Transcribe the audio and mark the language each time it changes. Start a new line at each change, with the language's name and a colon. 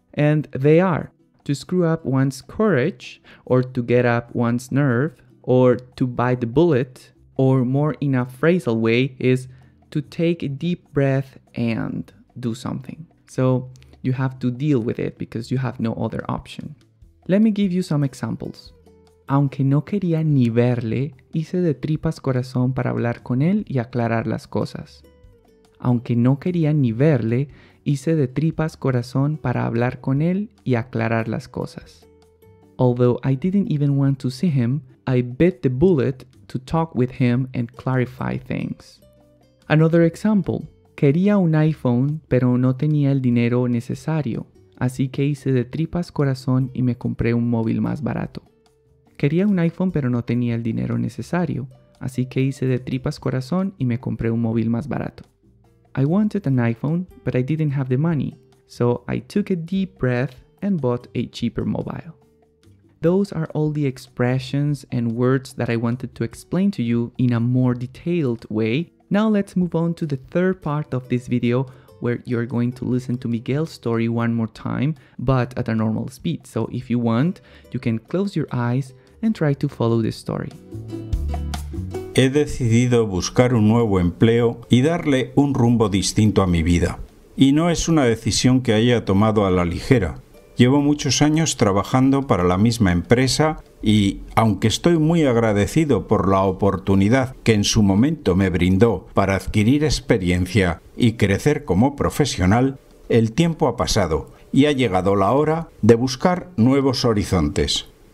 English: And they are to screw up one's courage or to get up one's nerve. Or to bite the bullet, or more in a phrasal way, is to take a deep breath and do something. So you have to deal with it because you have no other option. Let me give you some examples.
Spanish: Aunque no quería ni verle, hice de tripas corazón para hablar con él y aclarar las cosas. Aunque no quería ni verle, hice de tripas corazón para hablar con él y aclarar las cosas.
English: Although I didn't even want to see him, I bit the bullet to talk with him and clarify things. Another example.
Spanish: Quería un iPhone, pero no tenía el dinero necesario. Así que hice de tripas corazón y me compré un móvil más barato. Quería un iPhone, pero no tenía el dinero necesario. Así que hice de tripas corazón y me compré un móvil más barato.
English: I wanted an iPhone, but I didn't have the money. So I took a deep breath and bought a cheaper mobile. Those are all the expressions and words that I wanted to explain to you in a more detailed way. Now let's move on to the third part of this video, where you're going to listen to Miguel's story one more time, but at a normal speed. So if you want, you can close your eyes and try to follow the story.
Spanish: He decidido buscar un nuevo empleo y darle un rumbo distinto a mi vida. Y no es una decisión que haya tomado a la ligera. Llevo muchos años trabajando para la misma empresa y, aunque estoy muy agradecido por la oportunidad que en su momento me brindó para adquirir experiencia y crecer como profesional, el tiempo ha pasado y ha llegado la hora de buscar nuevos horizontes.